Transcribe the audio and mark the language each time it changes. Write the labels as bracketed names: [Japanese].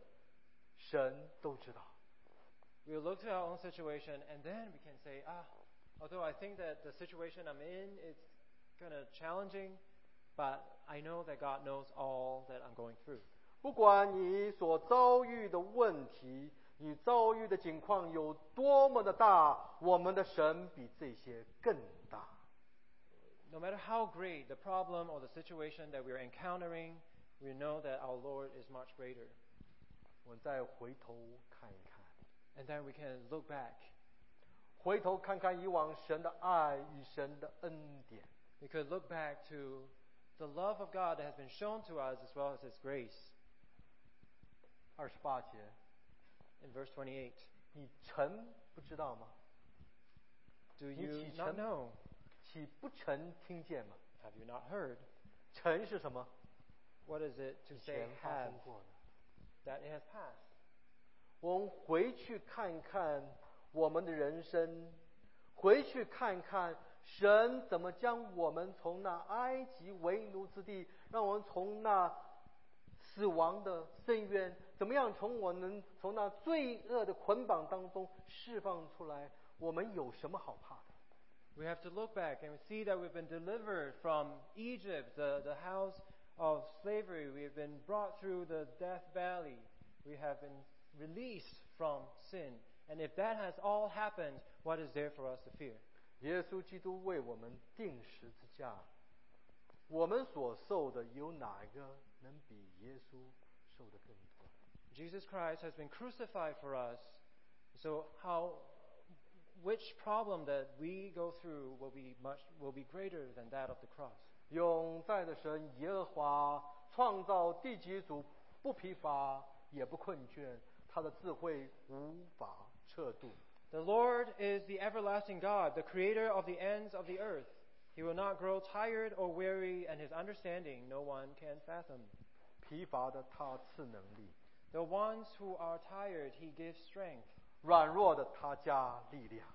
[Chinese] 让我们看到我们自己的情形的时候，我们就知道说，虽然我觉得自己非常的可怜，可是我所遭遇的，神都知道。 [English] We look to our own situation and then we can say, although I think that the situation I'm in is kind of challenging, but I know that God knows all that I'm going through. [Chinese] 不管你所遭遇的问题，你遭遇的境况有多么的大，我们的神比这些更大。 [English] No matter how great the problem or the situation that we are encountering, we know that our Lord is much greater. [Chinese] 我再回头看一看。 [English] And then we can look back. [Chinese] 回头看看以往神的爱与神的恩典。 [English] We could look back to the love of God that has been shown to us as well as His grace. [Chinese] 二十八节。 [English] In verse 28. [Chinese] 你曾不知道吗？ [English] Do you not know? [Chinese] 岂不曾听见吗？ [English] Have you not heard? [Chinese] 曾是什么？ [English] What is it to say have? That it has passed. [Chinese] 我们回去看看我们的人生，回去看看神怎么将我们从那埃及为奴之地，让我们从那死亡的深渊，怎么样从我们从那罪恶的捆绑当中释放出来？我们有什么好怕的？ [English] We have to look back and see that we've been delivered from Egypt, the house of slavery. We have been brought through the death valley. We have been released from sin. And if that has all happened, what is there for us to fear? [Chinese] 耶稣基督为我们钉十字架，我们所受的有哪一个能比耶稣受的更多？ [English] Jesus Christ has been crucified for us. So how... Which problem that we go through will be greater than that of the cross. [Chinese] 永在的神耶和华创造地极主不疲乏也不困倦，他的智慧无法测度。 [English] The Lord is the everlasting God, the creator of the ends of the earth. He will not grow tired or weary, and his understanding no one can fathom. [Chinese] 疲乏的他赐能力。 [English] The ones who are tired, he gives strength. [Chinese] 软弱的他加力量。